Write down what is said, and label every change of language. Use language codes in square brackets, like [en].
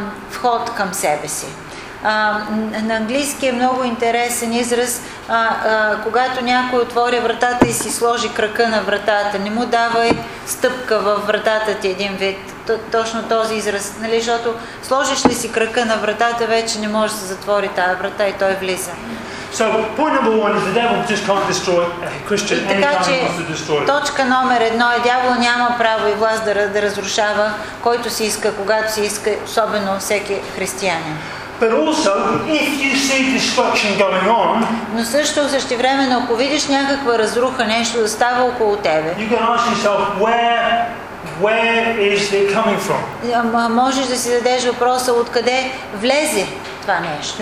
[bg] вход към себе си. На английски е много интересен израз, когато някой отворя вратата и си сложи крака на вратата, не му давай стъпка във вратата ти един вид. Точно този израз, нали, защото сложиш ли си крака на вратата, вече не може да затвори тази врата и той влиза. [en] So point number one is the devil just can't destroy a Christian. Any time he wants to destroy. [bg] Точка номер едно е, дявол няма право и власт да разрушава който си иска, когато си иска, особено всеки християнин. [en] But also, if you see destruction going on, [bg] но също в същевременно, ако видиш някаква разруха, нещо да става около тебе, [en] you can ask yourself where is it coming from? [bg] Можеш да си зададеш въпроса откъде влезе това нещо.